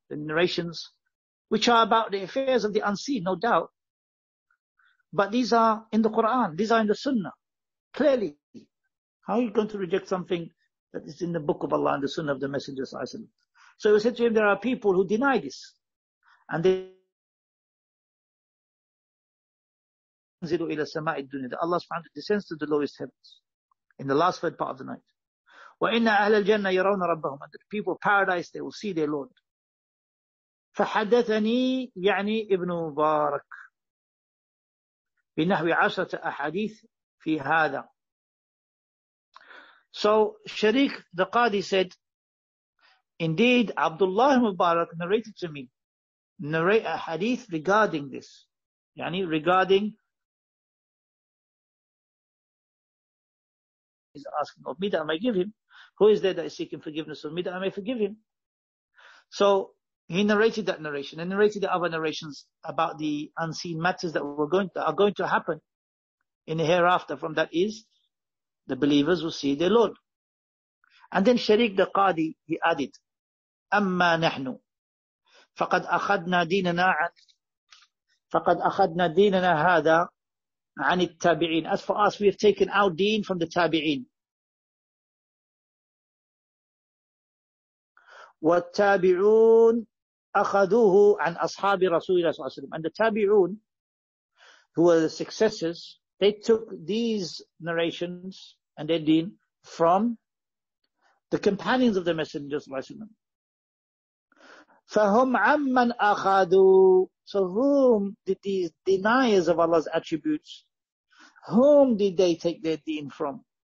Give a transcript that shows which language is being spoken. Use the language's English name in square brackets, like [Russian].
[English] The narrations, which are about the affairs of the unseen, no doubt. But these are in the Quran. These are in the Sunnah. Clearly. How are you going to reject something that is in the Book of Allah and the Sunnah of the Messenger, sallallahu alayhi wa sallam? So, he said to him, there are people who deny this. And then [Arabic] ينزل إلى السماء الدنيا. [English] Allah subhanahu wa ta'ala descends to the lowest heavens in the last third part of the night. [Arabic] وَإِنَّ أَهْلَ الْجَنَّةِ يَرَوْنَ رَبَّهُمْ. [English] And the people of paradise, they will see their Lord. [Arabic] فَحَدَّثَنِي يعني ابن مبارك بنحو عشرة أحاديث في هذا. [English] So Shariq the Qadi said, indeed Abdullah Mubarak narrated to me narrate a hadith regarding this. Yani regarding he's asking of me that I may give him. Who is there that is seeking forgiveness of me that I may forgive him? So he narrated that narration and narrated the other narrations about the unseen matters that are going to happen in the hereafter. From that is the believers will see their Lord. And then Shariq the Qadi, he added, [Arabic] Amma nahnu. فقد أخذنا ديننا هذا عن التابعين. [English] As for us, we have taken our deen from the tabi'in. [Arabic] والتابعون أخذوه عن أصحاب رسول الله صلى الله عليه وسلم. [English] And the tabi'un, who were the successors, they took these narrations and their deen from the companions of the messengers صلى الله عليه وسلم. [Arabic] فهم عمن أخذوا. [English] So whom did these deniers of Allah's attributes, whom did they take their deen from?